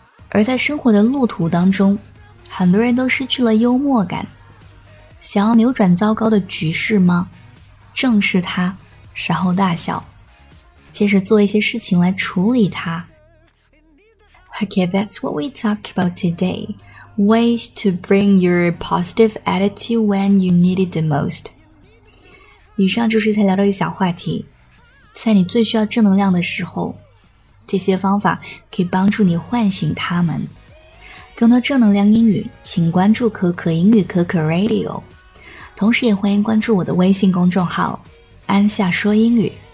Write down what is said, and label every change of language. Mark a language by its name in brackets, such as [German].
[Chinese] 而在生活的路途当中，很多人都失去了幽默感。想要扭转糟糕的局势吗？正视它，然后大笑，接着做一些事情来处理它。 [English] Okay, that's what we talk about today. Ways to bring your positive attitude when you need it the most. [Chinese] 以上就是才聊到一小话题，在你最需要正能量的时候，这些方法可以帮助你唤醒他们。更多正能量英语请关注可可英语可可 Radio， 同时也欢迎关注我的微信公众号安夏说英语。